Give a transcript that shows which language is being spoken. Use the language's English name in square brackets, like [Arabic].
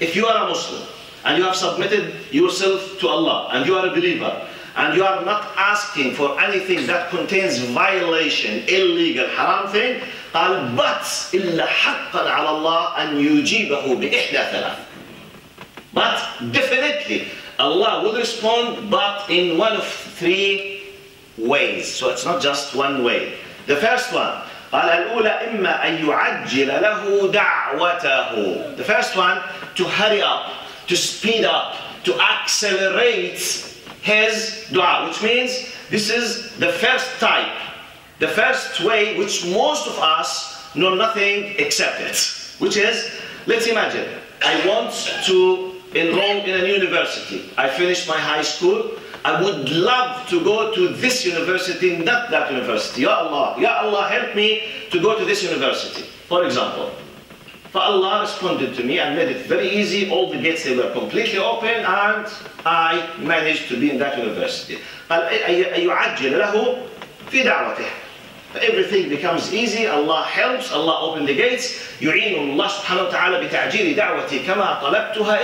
[English] If you are a Muslim and you have submitted yourself to Allah and you are a believer and you are not asking for anything that contains violation, illegal, haram thing, [Arabic] قال بَتْ إِلَّا حَقًّا عَلَى اللَّهِ أَنْ يُجِيبَهُ بِإِحْدَى ثَلَاثٍ. [English] But definitely Allah will respond, but in one of three ways. So it's not just one way. The first one, [Arabic] قال الأولى إما أن يعجل له دعوته. [English] The first one, to hurry up, to speed up, to accelerate his dua. Which means this is the first type, the first way which most of us know nothing except it. Which is, let's imagine, I want to enroll in a university. I finished my high school. I would love to go to this university, not that university. Ya Allah, help me to go to this university. For example, فالله responded to me and made it very easy. All the gates they were completely open and I managed to be in that university. [Arabic] قال يعجل له في دعوته. [English] Everything becomes easy. Allah helps. Allah opened the gates. [Arabic] يعين الله سبحانه وتعالى بتعجيل دعوتي كما طلبتها.